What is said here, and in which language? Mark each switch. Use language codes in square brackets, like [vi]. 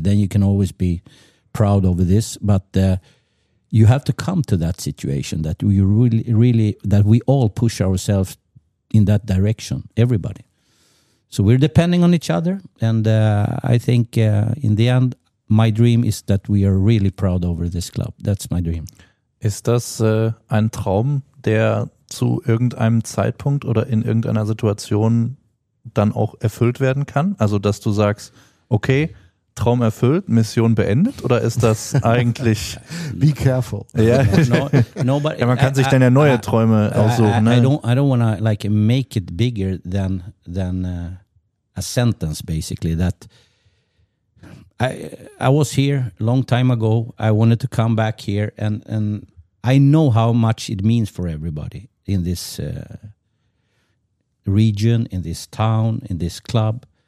[en] Then you can always be proud over this. But you have to come to that situation, that you really, really, that we all push ourselves in that direction, everybody. So we're depending on each other, and I think in the end, my dream is that we are really proud over this club. That's my dream. [de] Ist das ein Traum, der zu irgendeinem Zeitpunkt oder in irgendeiner Situation dann auch erfüllt werden kann? Also, dass du sagst, okay, Traum erfüllt, Mission beendet, oder ist das eigentlich... [en] Be careful. Yeah. [de] No, ja, man kann sich dann ja neue Träume aussuchen. [en] I don't want to like make it bigger than a sentence, basically. That I was here a long time ago. I wanted to come back here, and I know how much it means for everybody in this region, in this town, in this club.